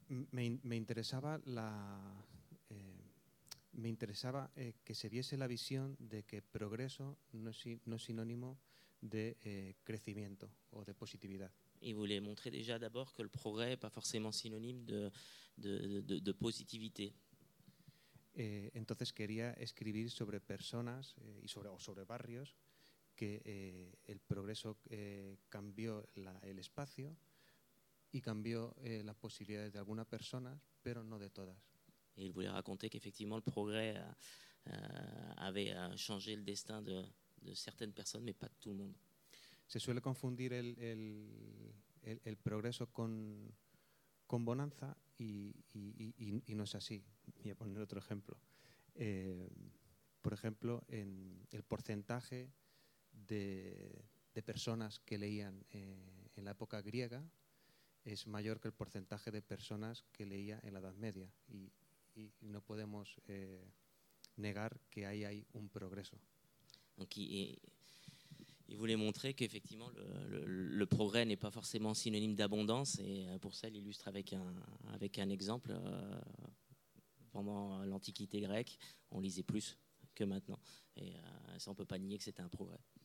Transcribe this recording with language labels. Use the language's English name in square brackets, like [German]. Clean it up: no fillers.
[Spanish] me interesaba la me interesaba que se viese la visión de que progreso no es sinónimo de crecimiento o de positividad. [French] Il voulait montrer déjà d'abord que le progrès est pas forcément synonyme de positivité. [Spanish] Entonces quería escribir sobre personas y sobre barrios que el progreso cambió el espacio y cambió las posibilidades de algunas personas, pero no de todas. [French] Et il voulait raconter qu'effectivement le progrès avait changé le destin de certaines personnes, mais pas de tout le monde. [Spanish] Se suele confundir el progreso con bonanza y no es así. Voy a poner otro ejemplo. Por ejemplo, en el porcentaje de personas que leían en la época griega es mayor que el porcentaje de personas que leía en la Edad Media. Y no podemos negar que ahí hay un progreso. [French] Il voulait montrer qu'effectivement le progrès n'est pas forcément synonyme d'abondance, et pour ça il illustre avec un exemple. Pendant l'Antiquité grecque, on lisait plus que maintenant, et ça on peut pas nier que c'était un progrès.